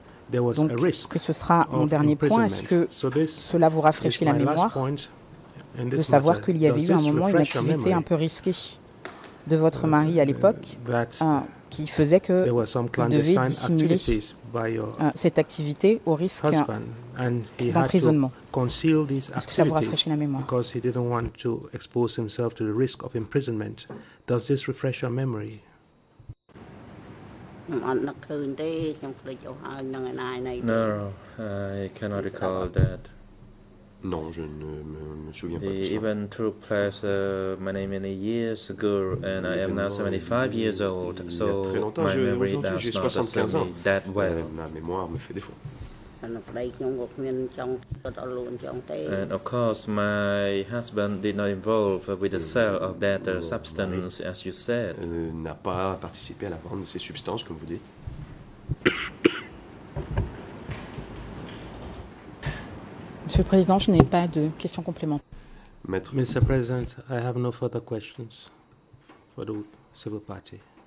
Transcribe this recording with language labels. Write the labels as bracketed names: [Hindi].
[French] Donc, que ce sera mon dernier point, est-ce que cela vous rafraîchit la mémoire de savoir qu'il y avait eu un moment, une activité un peu risquée de votre mari à l'époque qui faisait qu'il devait dissimuler cette activité au risque d'emprisonnement? Est-ce que ça vous rafraîchit la mémoire? [English] Because he didn't want to expose himself to the risk of imprisonment. Does this refresh your memory? No, I cannot recall that. [French] Non, je ne me souviens [English] the [French] pas. [English] The event took place many, many years ago, and I am now 75 years old, so my memory does not serve me that well. [French] Ma mémoire me fait défaut. [English] And of course, my husband did not involve with the sale of that substance, as you said. [French] N'a pas participé à la vente de ces substances, comme vous dites. Monsieur le Président, je n'ai pas de questions complémentaires. [English] Mr. President, I have no further questions for the civil party.